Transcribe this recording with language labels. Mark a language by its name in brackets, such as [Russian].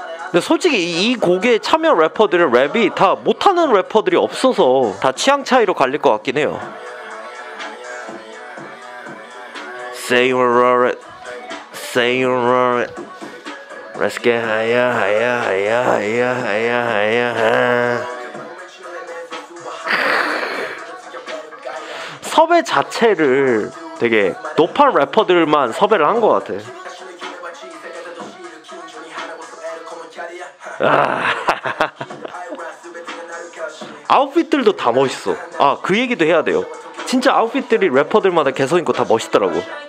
[Korean] 근데 솔직히 이 곡에 참여 래퍼들의 랩이 다 못하는 래퍼들이 없어서 다 취향 차이로 갈릴 것 같긴 해요. [English] Say you roll it, say you roll it. Let's get higher, higher, higher, higher, higher, higher. higher. [Korean] 섭외 자체를 되게 높은 래퍼들만 섭외를 한 것 같아. 아웃핏들도 다 멋있어. 아, 그 얘기도 해야 돼요. 진짜 아웃핏들이 래퍼들마다 개성 있고 다 멋있더라고.